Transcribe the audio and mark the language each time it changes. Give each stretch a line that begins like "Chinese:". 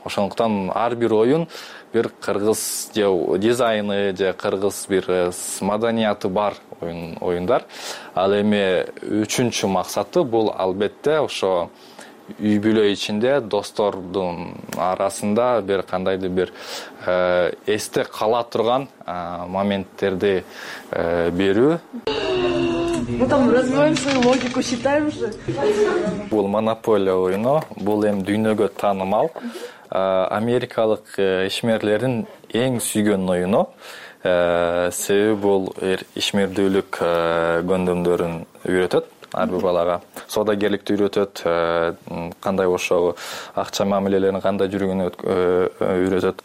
Kyrgyz: Ошондуктан ар бир оюн бир кыргыз дизайны же кыргыз бир маданияты бар оюндар. Ал эми үчүнчү максаты бул албетте ошо үй бүлө ичинде достордун арасында бир кандайдыр бир эсте кала турган моменттерди берүү.
Russian: Мы там развиваем свою логику, считаем же.
Kyrgyz: Бул монополия оюну, бул эми дүйнөгө таанымал. Америкалык ишмерлердин эң сүйгөн оюну. Себеби бул ишмердүүлүк көндөмдөрүн үйрөтөт. Ар бир балага соодагерликти үйрөтөт, кандай ошо акча мамилелерин кандай жүргөнүн үйрөтөт.